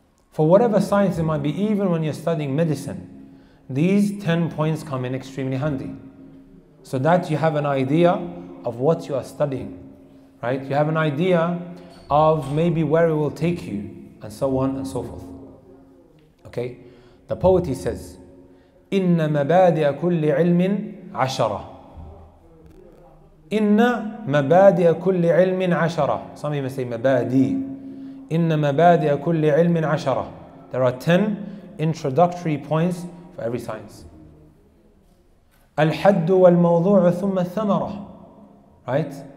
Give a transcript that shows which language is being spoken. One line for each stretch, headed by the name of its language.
English: For whatever science it might be, even when you're studying medicine, these 10 points come in extremely handy. So that you have an idea of what you are studying, right? You have an idea of maybe where it will take you, and so on and so forth. Okay? The poet, he says,
Arabic: إِنَّ مَبَادِئَ كُلِّ عِلْمٍ عَشَرَةً. إِنَّ مَبَادِئَ كُلِّ عِلْمٍ عَشَرَةً.
English: Some people say مَبَادِي.
Arabic: إِنَّ مَبَادِئَ كُلِّ عِلْمٍ عَشَرَةً.
English: There are 10 introductory points for every science.
Arabic: الْحَدُّ وَالْمَوْضُوعُ ثُمَّ الثَّمَرَةً.
English: Right?